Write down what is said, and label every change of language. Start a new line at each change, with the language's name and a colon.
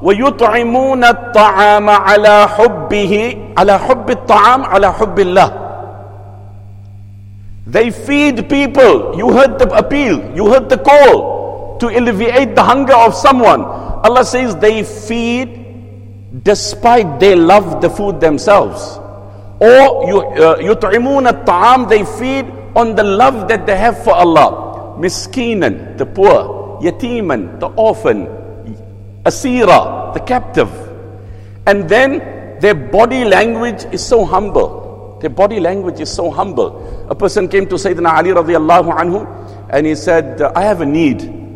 Arabic: وَيُطْعِمُونَ الطَّعَامَ عَلَى حُبِّهِ عَلَى حُبِّ الطَّعَامَ عَلَى حُبِّ اللَّهِ.
English: They feed people. You heard the appeal. You heard the call to alleviate the hunger of someone. Allah says they feed despite they love the food themselves. Or
Arabic: يُطْعِمُونَ الطَّعَامَ.
English: They feed on the love that they have for Allah. مِسْكِينًا, the poor. يَتِيمًا, the orphan. Asira, the captive. And then their body language is so humble. Their body language is so humble. A person came to Sayyidina Ali radiallahu anhu and he said, I have a need.